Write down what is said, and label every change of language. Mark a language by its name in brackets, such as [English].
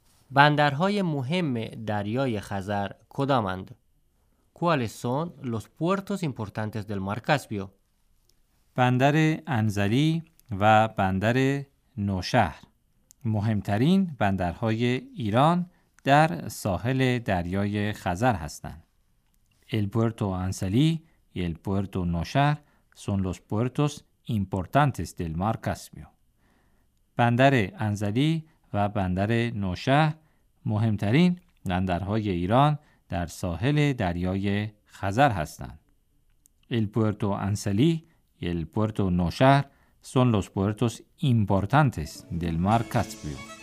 [Persian] بندرهای مهم دریای خزر کدامند؟ [Spanish] ¿Cuáles son los puertos importantes del mar Caspio? [Persian] بندر انزلی و بندر نوشهر مهمترین بندرهای ایران در ساحل دریای خزر هستند. [Spanish] El puerto Anzali y el puerto Noshahr son los puertos importantes del mar Caspio. [Persian] بندر انزلی و بندر نوشهر مهمترین بندرهای ایران در ساحل دریای خزر هستند. [Spanish] El puerto Anzali y el puerto Noshahr son los puertos importantes del mar Caspio.